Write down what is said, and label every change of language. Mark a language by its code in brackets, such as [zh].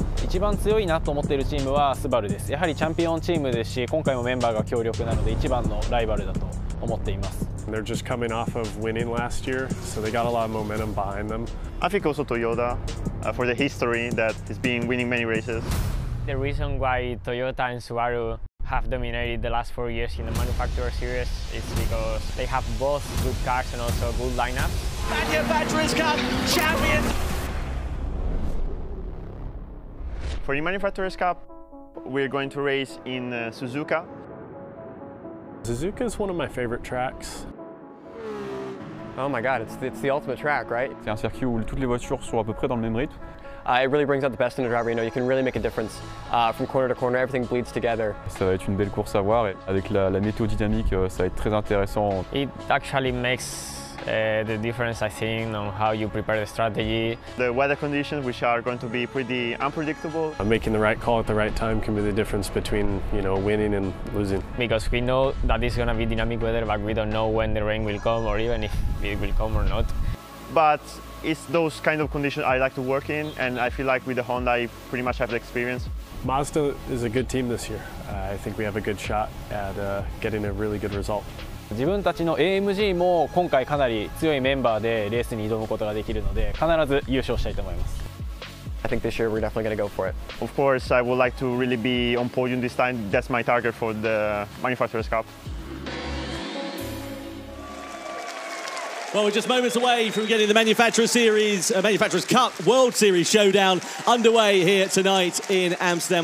[ja] 一番強いなと思っているチームはスバルです。やはりチャンピオンチームですし、今回もメンバーが強力なので一番のライバルだと思っています。 [en] They're just coming off of winning last year, so they got a lot of momentum behind them. I think also Toyota, for the history that has been winning many races. The reason why Toyota and Subaru have dominated the last 4 years in the Manufacturer Series is because they have both good cars and also good lineups. Manufacturers Cup champions! For the Manufacturers Cup, we're going to race in Suzuka. Suzuka is one of my favorite tracks. Oh my God, it's the ultimate track, right? [fr] C'est un circuit où toutes les voitures sont à peu près dans le même rythme. [en] It really brings out the best in a driver. You know, you can really make a difference from corner to corner. Everything bleeds together. [fr] Ça va être une belle course à voir. Et avec la météo dynamique, ça va être très intéressant. [en] It actually makes the difference, I think, on how you prepare the strategy. The weather conditions, which are going to be pretty unpredictable. Making the right call at the right time can be the difference between, you know, winning and losing. Because we know that it's going to be dynamic weather, but we don't know when the rain will come or even if it will come or not. But it's those kind of conditions I like to work in, and I feel like with the Honda, I pretty much have the experience. Mazda is a good team this year. I think we have a good shot at getting a really good result. [ja] 自分たちの AMG も今回かなり強いメンバーでレースに挑むことができるので必ず優勝したいと思います。 [en] I think this year we're definitely going to go for it. Of course, I would like to really be on podium this time. That's my target for the Manufacturers Cup. Well, we're just moments away from getting the Manufacturers Cup World Series Showdown underway here tonight in Amsterdam.